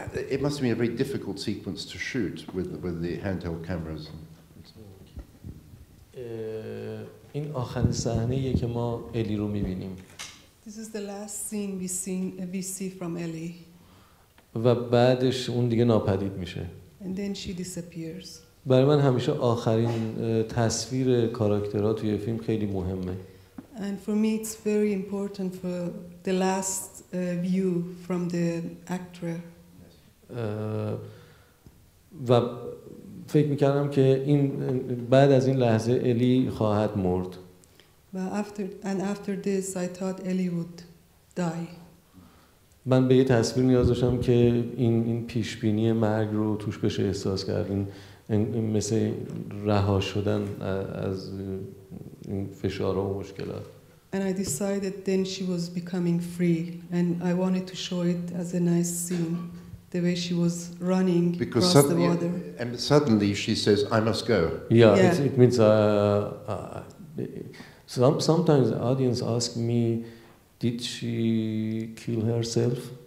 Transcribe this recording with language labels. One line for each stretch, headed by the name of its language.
English: It must have been a very difficult sequence to shoot with the handheld cameras. This is the last scene we see from Ellie.
Persian: و بعدش اون دیگه ناپدید میشه.
English: And then she disappears.
Persian: برای من همیشه آخرین تصویر کاراکترها توی فیلم خیلی مهمه.
English: And for me it's very important for the last view from the actor.
Persian: و فکر میکردم که این بعد از این لحظه الی خواهد مرد.
English: And after this I thought Ellie would die.
Persian: من به یه تصویر نیاز داشتم که این پیشبینی مرگ رو توش بشه احساس کرد. این مثل رها شدن از این فشارها و مشکلات.
English: And I decided then she was becoming free, and I wanted to show it as a nice scene, the way she was running because across suddenly, the water. And suddenly she says, I must go. Yeah, yeah. It means... sometimes the audience ask me, did she kill herself?